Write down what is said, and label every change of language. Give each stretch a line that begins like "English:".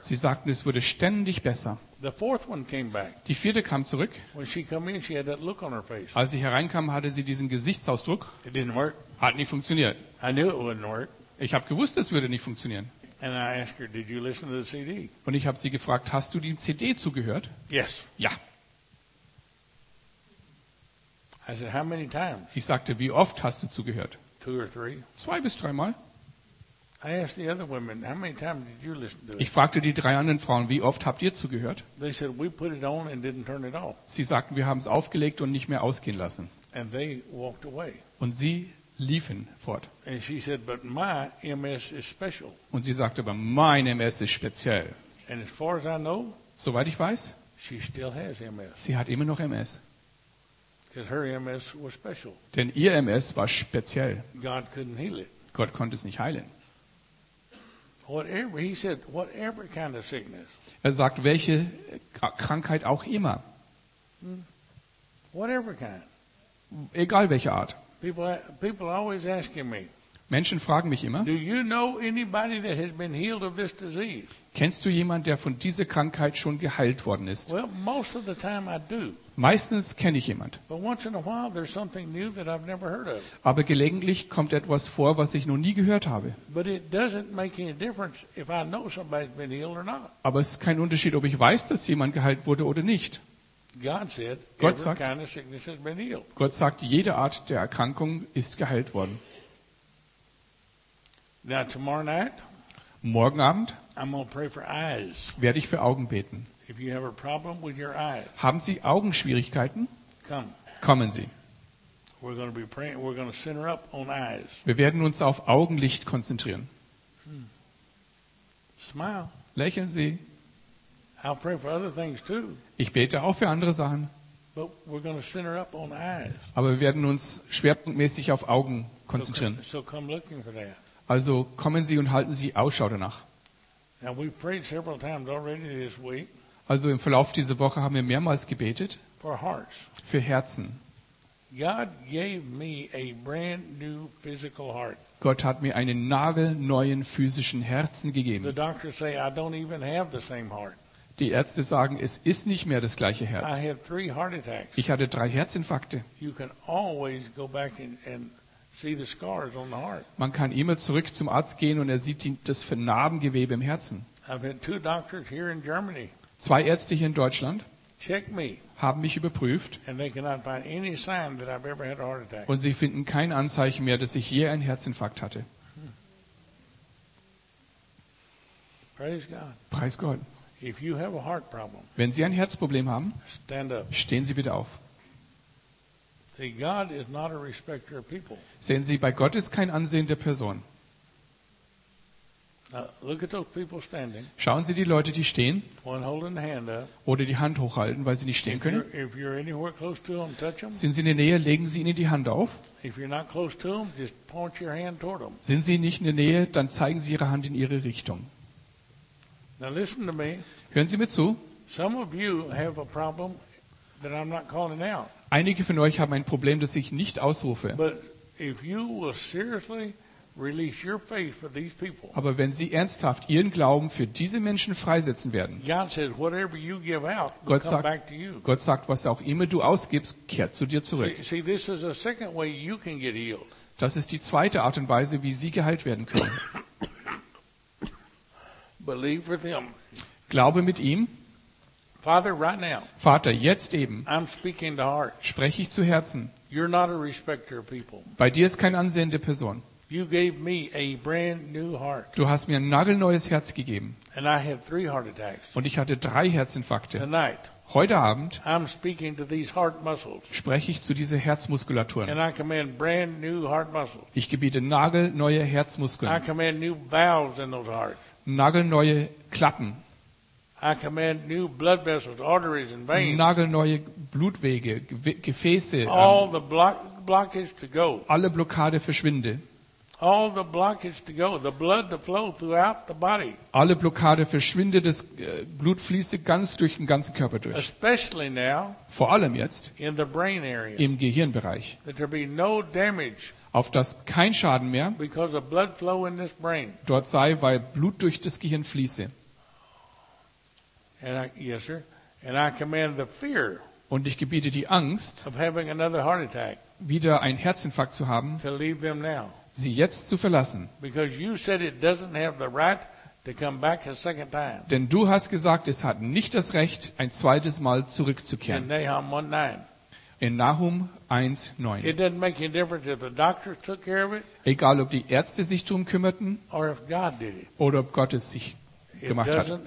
German: Sie sagten, es wurde ständig besser.
English: The fourth one came back.
German: Die vierte kam zurück.
English: When she came in, she had that look on her face.
German: Als sie hereinkam, hatte sie diesen Gesichtsausdruck.
English: It didn't work.
German: Hat nicht funktioniert.
English: I knew it wouldn't work.
German: Ich habe gewusst, es würde nicht funktionieren.
English: And I asked her, did you listen to the CD?
German: Und ich habe sie gefragt, hast du die CD zugehört?
English: Yes.
German: Ja.
English: I said, how many times?
German: Ich sagte, wie oft hast du zugehört?
English: Two or three.
German: 2 bis 3 Mal.
English: I asked the other women, how many times did you listen to it?
German: Ich fragte die drei anderen Frauen, wie oft habt ihr zugehört?
English: They said, we put it on and didn't turn it off.
German: Sie sagten, wir haben es aufgelegt und nicht mehr ausgehen lassen.
English: And they walked away.
German: Und sie liefen fort.
English: And she said, but my MS is special.
German: Und sie sagte, aber mein MS ist speziell.
English: And as far as I know,
German: soweit ich weiß,
English: she still has MS.
German: Sie hat immer noch MS.
English: Because her MS was special.
German: Denn ihr MS war speziell.
English: God couldn't heal it.
German: Gott konnte es nicht heilen.
English: Whatever, he said, whatever kind of sickness.
German: Er sagt, welche Krankheit auch immer.
English: Whatever kind.
German: Egal welche Art.
English: People always asking me.
German: Menschen fragen mich immer.
English: Do you know anybody that has been healed of this disease?
German: Kennst du jemanden, der von dieser Krankheit schon geheilt worden ist?
English: Well, most of the time I do.
German: Meistens kenne ich jemand.
English: But once in a while there's something new that I've never heard of.
German: Aber gelegentlich kommt etwas vor, was ich noch nie gehört habe.
English: But it doesn't make any difference if I know somebody's been healed or not.
German: Aber es ist kein Unterschied, ob ich weiß, dass jemand geheilt wurde oder nicht.
English: God said,
German: Gott sagt,
English: every kind of sickness has been healed.
German: Gott sagt, jede Art der Erkrankung ist geheilt worden.
English: Now tomorrow night.
German: Morgen Abend.
English: I'm gonna pray for eyes.
German: Werde ich für Augen beten.
English: If you have a problem with your eyes,
German: haben Sie Augenschwierigkeiten?
English: Come.
German: Kommen Sie.
English: We're gonna be praying. We're gonna center up on eyes.
German: Wir werden uns auf Augenlicht konzentrieren.
English: Smile.
German: Lächeln Sie.
English: I'll pray for other things too.
German: Ich bete auch für andere Sachen.
English: But we're gonna center up on eyes.
German: Aber wir werden uns schwerpunktmäßig auf Augen konzentrieren.
English: So come looking for that.
German: Also kommen Sie und halten Sie Ausschau danach.
English: Now we've prayed several times already this week.
German: Also im Verlauf dieser Woche haben wir mehrmals gebetet
English: for hearts.
German: Für Herzen.
English: God gave me a brand new physical heart.
German: Gott hat mir einen nagelneuen physischen Herzen gegeben.
English: The doctors say I don't even have the same heart.
German: Die Ärzte sagen, es ist nicht mehr das gleiche Herz.
English: I had 3 heart attacks.
German: Ich hatte 3 Herzinfarkte.
English: You can always go back and see the scars on the heart.
German: Man kann immer zurück zum Arzt gehen und er sieht das Narbengewebe im Herzen.
English: I've had 2 doctors here in Germany.
German: 2 Ärzte hier in Deutschland
English: check me.
German: Haben mich überprüft
English: and they cannot find any sign that I've ever had a heart attack.
German: Und sie finden kein Anzeichen mehr, dass ich je einen Herzinfarkt hatte.
English: Praise God.
German: Preis Gott.
English: If you have a heart problem,
German: wenn Sie ein Herzproblem haben,
English: stand up.
German: Stehen Sie bitte auf.
English: God is not a respecter of people.
German: Sehen Sie, bei Gott ist kein Ansehen der Person.
English: Look at those people standing.
German: Schauen Sie die Leute, die stehen.
English: One holding the hand up.
German: Oder die Hand hochhalten, weil sie nicht stehen können.
English: If you're anywhere close to them, touch them.
German: Sind Sie in der Nähe, legen Sie ihnen die Hand auf.
English: If you're not close to them, just point your hand toward them.
German: Sind Sie nicht in der Nähe, dann zeigen Sie Ihre Hand in Ihre Richtung.
English: Now listen to me.
German: Hören Sie mir zu.
English: Some of you have a problem that I'm not calling out.
German: Einige von euch haben ein Problem, das ich nicht ausrufe.
English: if you will seriously release your faith for these people.
German: Aber wenn Sie ernsthaft Ihren Glauben für diese Menschen freisetzen werden,
English: God says, whatever you give out, will come back to you.
German: Gott sagt, was auch immer du ausgibst, kehrt zu dir zurück.
English: See, this is a second way you can get healed.
German: Das ist die zweite Art und Weise, wie Sie geheilt werden können.
English: Believe with him.
German: Glaube mit ihm.
English: Father, right now,
German: Vater, jetzt eben
English: I'm speaking to heart.
German: Spreche ich zu Herzen.
English: You're not a respecter of people.
German: Bei dir ist kein Ansehen der Person.
English: You gave me a brand new heart.
German: Du hast mir ein nagelneues Herz gegeben.
English: And I had three heart attacks.
German: Und ich hatte drei Herzinfarkte.
English: Tonight,
German: heute Abend
English: I'm speaking to these heart muscles.
German: Spreche ich zu dieser Herzmuskulatur.
English: And I command brand new heart muscles.
German: Ich gebiete nagelneue Herzmuskeln.
English: I command new valves in those hearts.
German: Nagelneue Klappen.
English: I command new blood vessels, arteries and veins.
German: Nagelneue Blutwege, Gefäße.
English: All the blockage to go.
German: Alle Blockade verschwinde.
English: All the blockage to go, the blood to flow throughout the body.
German: Alle Blockade verschwinde, das Blut fließe ganz durch den ganzen Körper durch.
English: Especially now.
German: Vor allem jetzt.
English: In the brain area.
German: Im Gehirnbereich.
English: That there be no damage.
German: Auf das kein Schaden mehr
English: because of blood flow in this brain.
German: Dort sei, weil Blut durch das Gehirn fließe.
English: And I, yes, sir. And I command the fear
German: und ich gebiete die Angst,
English: of having another heart attack,
German: wieder einen Herzinfarkt zu haben,
English: to leave them now.
German: Sie jetzt zu verlassen.
English: Because you said it doesn't have the right to come back a second time.
German: Denn du hast gesagt, es hat nicht das Recht, ein zweites Mal zurückzukehren.
English: In Nahum 1:9.
German: In Nahum 1:9.
English: It doesn't make any difference if the doctor took care of it.
German: Egal, ob die Ärzte sich drum kümmerten,
English: or if God did it.
German: Oder ob Gott es sich gemacht hat.
English: It doesn't